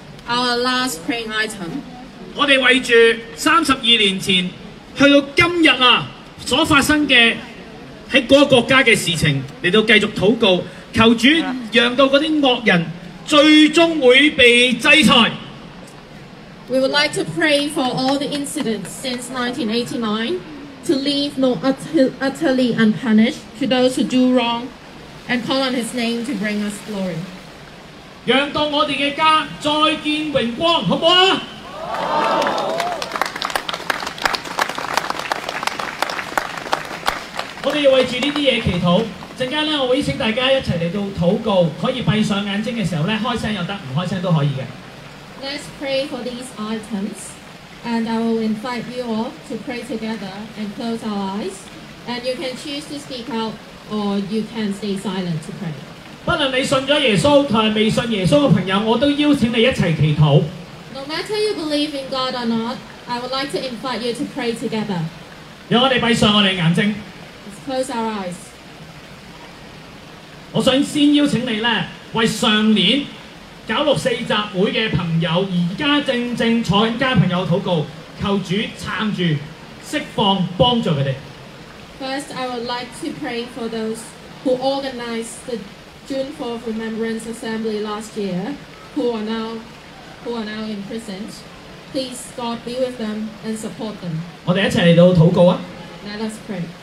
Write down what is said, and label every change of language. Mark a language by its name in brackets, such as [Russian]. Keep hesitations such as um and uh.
[English] Our last praying item。 [Cantonese] 我哋為住三十二年前去到今日啊所發生嘅。喺嗰個國家嘅事情嚟到繼續禱告，求主讓到嗰啲惡人最終會被制裁。 [English] We would like to pray for all the incidents since 1989 to leave no utterly unpunished to those who do wrong and call on his name to bring us glory. [Cantonese] 讓到我哋嘅家再見榮光，好唔好啊？我哋要为住呢啲嘢祈祷。阵间咧，我会請请大家一齐嚟到祷告，可以闭上眼睛嘅时候咧，开声又得，唔开声都可以嘅。 [English] Let's pray for these items, and I will invite you all to pray together and close our eyes, and you can choose to speak out or you can stay silent to pray. [Cantonese] 不论你信咗耶稣同埋未信耶稣嘅朋友，我都邀请你一齐祈祷。 [English] No matter you believe in God or not, I would like to invite you to pray together. [Cantonese] 讓我哋闭上我哋眼睛。 [English] Close our eyes. [Cantonese] 我想先邀請你咧，為上年搞六四集會嘅朋友，而家正正坐緊家朋友禱告，求主撐住、釋放、幫助佢哋。 [English] First, I would like to pray for those who organized the June 4th Remembrance Assembly last year, who are now, who are now in prison. Please, God, be with them and support them. [Cantonese] 我哋一齊嚟到禱告啊！ [English] Let us pray.